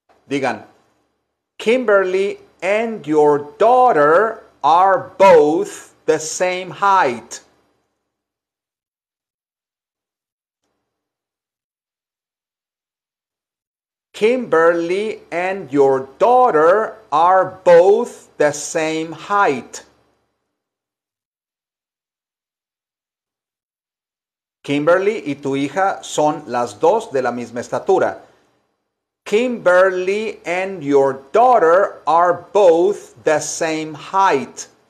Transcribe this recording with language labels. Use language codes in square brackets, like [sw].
[en] Digan, Kimberly and your daughter are both the same height. Kimberly and your daughter are both the same height. [es] Kimberly y tu hija son las dos de la misma estatura. [en] Kimberly and your daughter are both the same height.